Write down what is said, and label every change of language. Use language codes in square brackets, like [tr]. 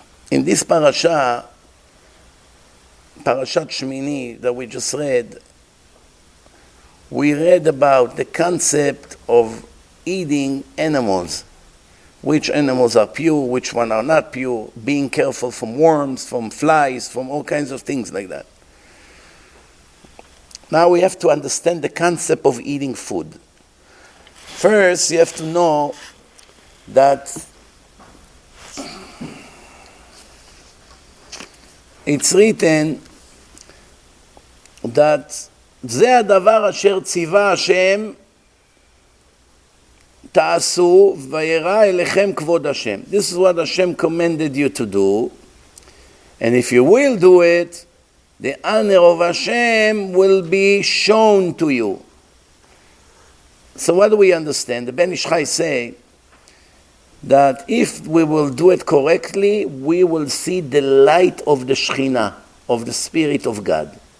[en] In this parasha, Parashat Shmini, that we just read, we read about the concept of eating animals. Which animals are pure, which one are not pure, being careful from worms, from flies, from all kinds of things like that. Now we have to understand the concept of eating food. First, you have to know that it's written that [he] זה הדבר אשר ציווה השם תעשו ויראה אליכם כבוד השם. [en] This is what Hashem commanded you to do. And if you will do it, the honor of Hashem will be shown to you. So what do we understand? The Ben Ish Chai say that if we will do it correctly, we will see the light of the Shekhinah, of the Spirit of God.